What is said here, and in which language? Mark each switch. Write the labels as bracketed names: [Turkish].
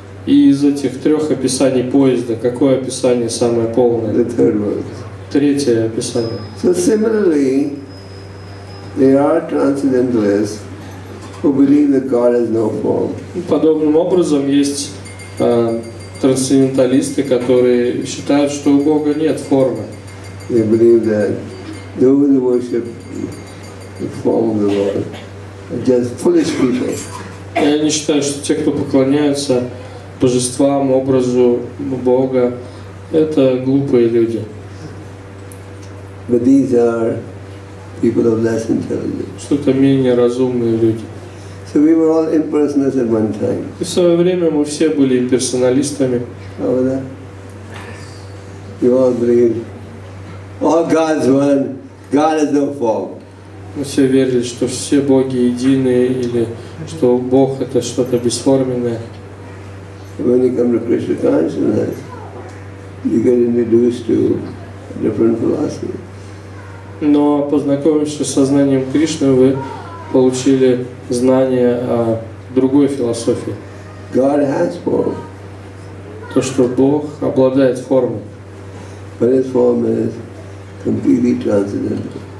[Russian] И из этих трех описаний поезда, какое описание самое полное? [English] The third one. [Russian] Третье описание. [English] So similarly, there are transcendentalists who believe that God has no form. [Russian] Подобным образом есть трансценденталисты, которые считают, что у Бога нет формы. [English] They believe that those who worship the form of the Lord are just foolish people. [Russian] И они считают, что те, кто поклоняются божествам, образу Бога, это глупые люди. [English] But these are people of less intelligence. [Russian] Что-то менее разумные люди. [English] So we were all impersonalists at one time. [Russian] И в свое время мы все были имперсоналистами. [English] How was that? We all believed, all God's one, God has no form. [Russian] Мы все верили, что все боги едины, или что Бог это что-то бесформенное. [English] When you come to Krishna consciousness, you get introduced to different philosophy. [Russian] Но познакомившись с сознанием Кришны, вы получили знание о другой философии. [English] God has form. [Russian] То, что Бог обладает формой. [English] But his form is completely transcendental.